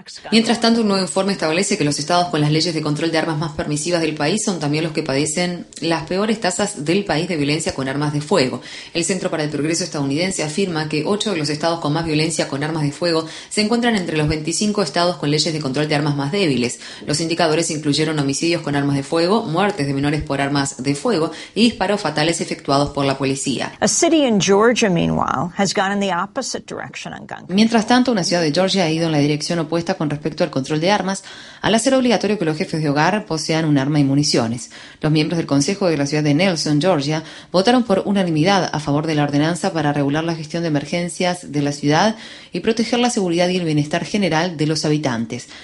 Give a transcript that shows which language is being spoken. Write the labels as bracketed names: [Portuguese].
[Spanish] Mientras tanto, un nuevo informe establece que los estados con las leyes de control de armas más permisivas del país son también los que padecen las peores tasas del país de violencia con armas de fuego. El Centro para el Progreso estadounidense afirma que 8 de los estados con más violencia con armas de fuego se encuentran entre los 25 estados con leyes de control de armas más débiles. Los indicadores incluyeron homicidios con armas de fuego, muertes de menores por armas de fuego y disparos fatales efectuados por la policía. [English] A city in Georgia, meanwhile, has gone in the opposite direction on gun. [Spanish] Mientras tanto, una ciudad de Georgia ha ido en la dirección opuesta con respecto al control de armas, al hacer obligatorio que los jefes de hogar posean un arma y municiones. Los miembros del Consejo de la ciudad de Nelson, Georgia, votaron por unanimidad a favor de la ordenanza para regular la gestión de emergencias de la ciudad y proteger la seguridad y el bienestar general de los habitantes.